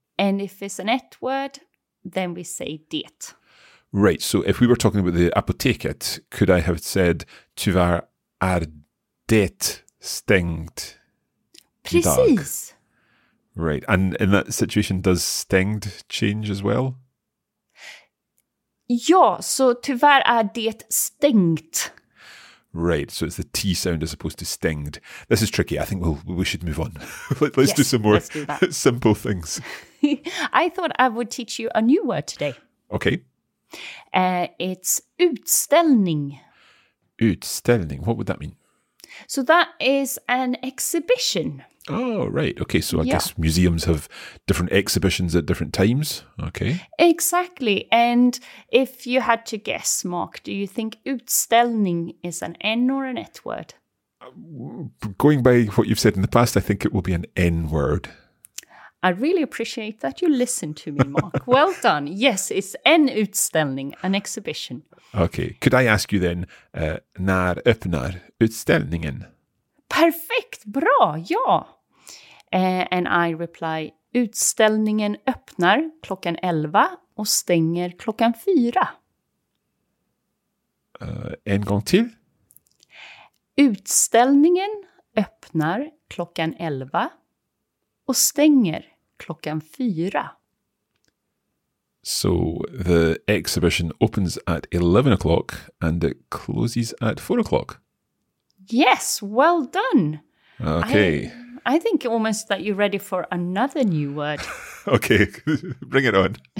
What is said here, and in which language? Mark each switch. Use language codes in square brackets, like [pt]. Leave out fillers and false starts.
[en] And if it's an et word, then we say det. Right, so if we were talking about the apoteket, could I have said [sv] tyvärr är det stängd? Precis. [en] Right, and in that situation, does stängd change as well? [sv] Ja, så tyvärr är det stängt. [en] Right, so it's the T sound as opposed to stängd. This is tricky. I think we should move on. let's do some more simple things. I thought I would teach you a new word today. Okay. It's utställning. Utställning. What would that mean? So that is an exhibition. Oh, right. Okay, so I guess museums have different exhibitions at different times. Okay. Exactly. And if you had to guess, Mark, do you think utställning is an N or an et word? Going by what you've said in the past, I think it will be an N word. I really appreciate that you listen to me, Mark. Well done. Yes, it's en utställning, an exhibition. Okay. Could I ask you then, [sv] när öppnar utställningen? Perfekt. Bra. Ja. [en] And I reply, [sv] utställningen öppnar 11:00 och stänger 16:00. En gång till. Utställningen öppnar 11:00 och stänger 16:00. [en] So the exhibition opens at 11 o'clock and it closes at 4 o'clock. Yes, well done. Okay. I think almost that you're ready for another new word. Okay, bring it on.